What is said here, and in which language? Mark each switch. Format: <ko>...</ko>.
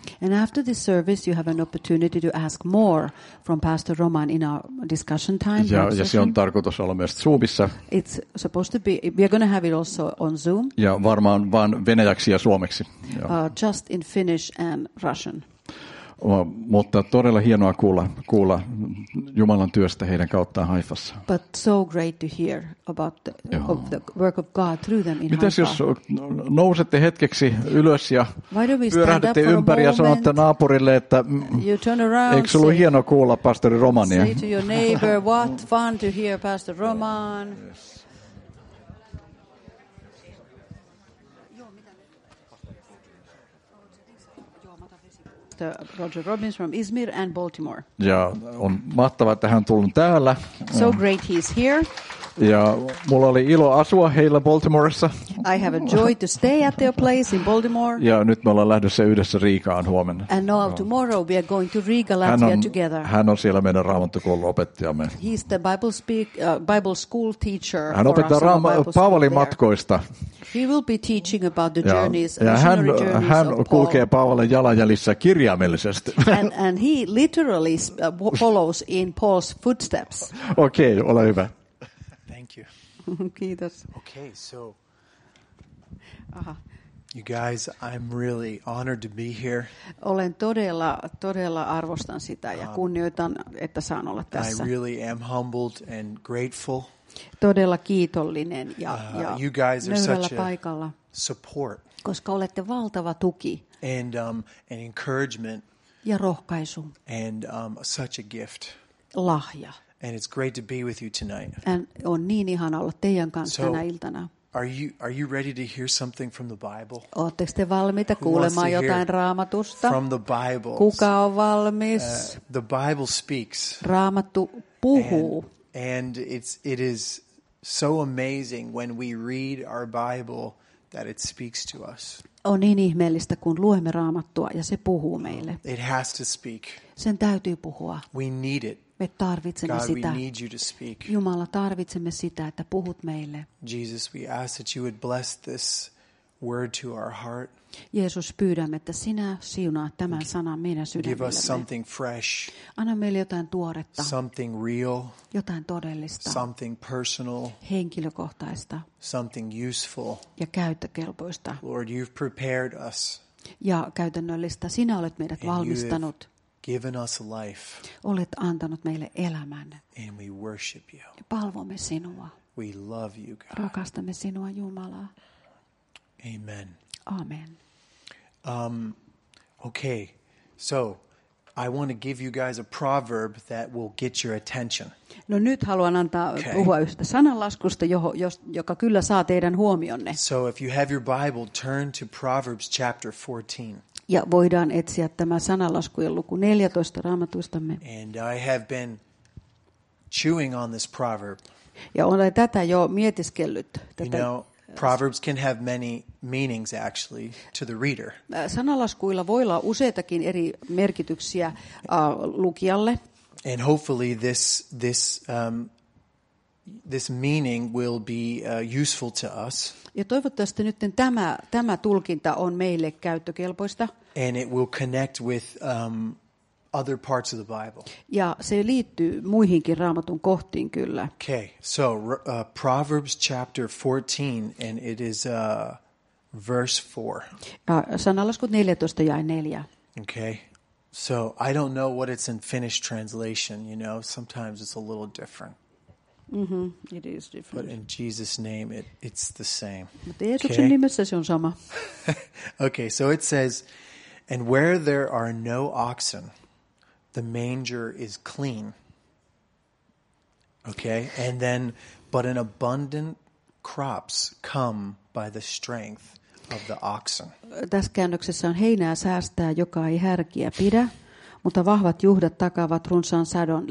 <en>And after this service you have an opportunity to ask more from Pastor Roman in our discussion time.</en> <fi>Ja se on tarkoitus olla myös Zoomissa.</fi> <en>It's supposed to be, we're going to have it also on Zoom.</en> <fi>Ja varmaan vain venäjäksi ja suomeksi.</fi> <en>Just in Finnish and Russian.</en> <fi>Mutta todella hienoa kuulla Jumalan työstä heidän kauttaan Haifassa.</fi> <en>But so great to hear about the work of God through them in Haifa.</en> <fi>Mitäs jos nousette hetkeksi ylös ja pyörähdätte ympäri ja sanotte naapurille, että eikö ollut hienoa kuulla Pastori Romania?</fi> <en>Say to your neighbor, what fun to hear Pastor Roman. Roger Robbins from Izmir and Baltimore.</en> <fi>Ja on mahtavaa, että hän tullut täällä.</fi> <en>So great he's here.</en> <fi>Ja mulla oli ilo asua heillä Baltimoressa.</fi> <en>I have a joy to stay at their place in Baltimore.</en> <fi>Ja nyt me ollaan lähdössä yhdessä Riikaan huomenna.</fi> <en>And now tomorrow we are going to Riga, Latvia together.</en> <fi>Hän on siellä meidän raamattokoulun opettajamme.</fi> <en>He's the Bible school teacher.</en> <fi>Hän opettaa Paavalin matkoista.</fi> <en>He will be teaching about the journeys, missionary journeys.</en> <fi>Ja hän kulkee Paavalin jalanjäljissä kirjaimellisesti.</fi> <en>And he literally follows in Paul's footsteps.</en> <fi>Okei, ole hyvä.</fi> <en>Thank you.</en> <fi>Kiitos.</fi> <en>Okay, so you guys, I'm really honored to be here.</en> <fi>Olen todella arvostan sitä ja kunnioitan, että saan olla tässä. I really am humbled and grateful. Todella kiitollinen ja</fi> <en>you guys are</en> <fi>nöyrällä</fi> <en>such</en> <fi>paikalla,</fi> <en>a support.</en> <fi>Koska olette valtava tuki.</fi> <en>And an encouragement.</en> <fi>Ja rohkaisu.</fi> <en>And such a gift.</en> <fi>Lahja.</fi> <en>And it's great to be with you tonight.</en> <fi>And on niin ihana olla teidän kanssa tänä iltana.</fi> <en>Are you ready to hear something from the Bible?</en> <fi>Oletteko te valmiita kuulemaan jotain Raamatusta?</fi> <en>From the Bible.</en> <fi>Kuka on valmis?</fi> <en>The Bible speaks.</en> <fi>Raamattu puhuu.</fi> <en>And it is so amazing when we read our Bible that it speaks to us.</en> <fi>On niin ihmeellistä, kun luemme Raamattua ja se puhuu meille.</fi> <en>It has to speak.</en> <fi>Sen täytyy puhua.</fi> <en>We need it.</en> <fi>Me tarvitsemme</fi> <en>God,</en> <fi>sitä.</fi> <en>We need you to speak.</en> <fi>Jumala, tarvitsemme sitä, että puhut meille.</fi> <en>Jesus, we ask that you would bless this word to our heart.</en> <fi>Jeesus, pyydämme, että sinä siunaat tämän sanan meidän sydämillemme.</fi> <en>Give us something fresh.</en> <fi>Anna meille jotain tuoretta.</fi> <en>Something real.</en> <fi>Jotain todellista.</fi> <en>Something personal.</en> <fi>Henkilökohtaista.</fi> <en>Something useful.</en> <fi>Ja käyttökelpoista.</fi> <en>Lord, you've prepared us.</en> <fi>Ja käytännöllistä. Sinä olet meidät valmistanut.</fi> <en>Given us life.</en> <fi>Olet antanut meille elämän.</fi> <en>And we worship you.</en> <fi>Ja palvomme sinua.</fi> <en>We love you, God.</en> <fi>Rakastamme sinua, Jumala.</fi> <en>Amen.</en> <fi>Amen.</fi> <en>Okay. So, I want to give you guys a proverb that will get your attention.</en> <fi>No nyt haluan antaa puhua yhdestä sananlaskusta, joka kyllä saa teidän huomionne.</fi> <en>So, if you have your Bible, turn to Proverbs chapter 14.</en> <fi>Ja voidaan etsiä tämä sananlaskujen luku 14 Raamatustamme.</fi> <en>And I have been chewing on this proverb.</en> <fi>Ja olen tätä jo mietiskellyt.</fi> <en>You know, proverbs can have many meanings actually to the reader.</en> <fi>Sanalaskuilla voi olla useitakin eri merkityksiä lukijalle.</fi> <en>And hopefully this meaning will be useful to us.</en> <fi>Ja toivottavasti nyt tämä tulkinta on meille käyttökelpoista.</fi> <en>And it will connect with other parts of the Bible.</en> <fi>Ja se liittyy muihinkin Raamatun kohtiin kyllä.</fi> <en>Okay. So Proverbs chapter 14 and it is verse 4.</en> <fi>Sanalaskut 14 jae 4.</fi> <en>Okay. So I don't know what it's in Finnish translation, you know, sometimes it's a little different. Mm-hmm. It is different. But in Jesus' name, it's the same.</en> <fi>Mutta Jeesuksen nimessä se on sama.</fi> <en>Okay, so it says, and where there are no oxen, the manger is clean. Okay, and then, but an abundant crops come by the strength of the oxen.</en> <fi>Tässä käännöksessä on heinää säästää, joka ei härkiä pidä. Mutta vahvat juhdat takaavat runsaan sadon.</fi>